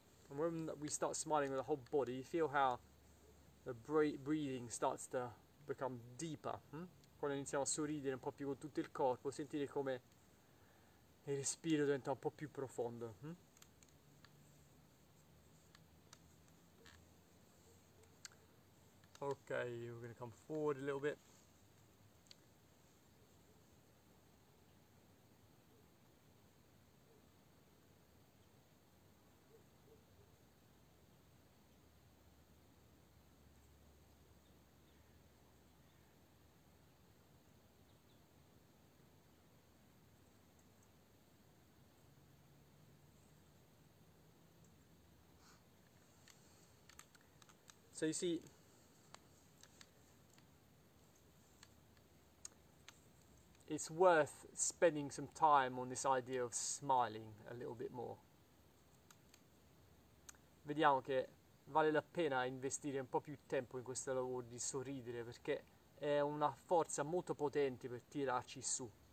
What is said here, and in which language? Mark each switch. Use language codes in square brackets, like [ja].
[en] And when we start smiling with the whole body, you feel how the breathing starts to become deeper. [it] Quando iniziamo a sorridere un po' più con tutto il corpo, sentire come il respiro diventa un po' più profondo. [en] Okay, we're gonna come forward a little bit. So you see, it's worth spending some time on this idea of smiling a little bit more. [it] Vediamo che vale la pena investire un po' più tempo in questo lavoro di sorridere, perché è una forza molto potente per tirarci su.